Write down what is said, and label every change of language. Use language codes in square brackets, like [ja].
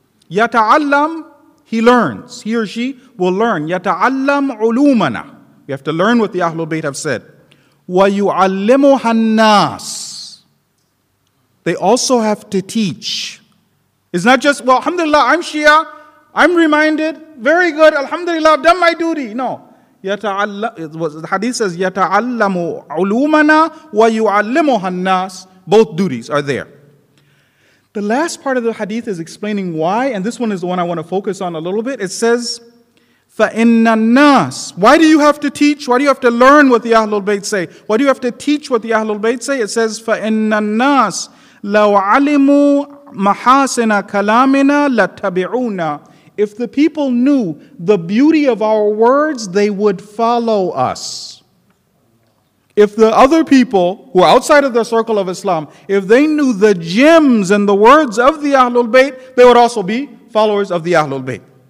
[en] Yata'allam, he learns. He or she will learn. [ar] Yata'allam ulumana. [en] We have to learn what the Ahlul Bayt have said. [ar] وَيُعَلِّمُهَا النَّاسِ. [en] They also have to teach. It's not just, well, alhamdulillah, I'm Shia, I'm reminded, very good, alhamdulillah, I've done my duty. No. The hadith says, [ar] يَتَعَلَّمُ عُلُومَنَا وَيُعَلِّمُهَا النَّاسِ. [en] Both duties are there. The last part of the hadith is explaining why, and this one is the one I want to focus on a little bit. It says, [ar] فَإِنَّ النَّاسِ. [en] Why do you have to teach? Why do you have to learn what the Ahlul Bayt say? Why do you have to teach what the Ahlul Bayt say? It says, [ar] فَإِنَّ النَّاسِ لَوْ عَلِمُوا مَحَاسِنَ كَلَامِنَا لَتَّبِعُونَا. [en] If the people knew the beauty of our words, they would follow us. If the other people who are outside of the circle of Islam, if they knew the gems and the words of the Ahlul Bayt, they would also be followers of the Ahlul Bayt.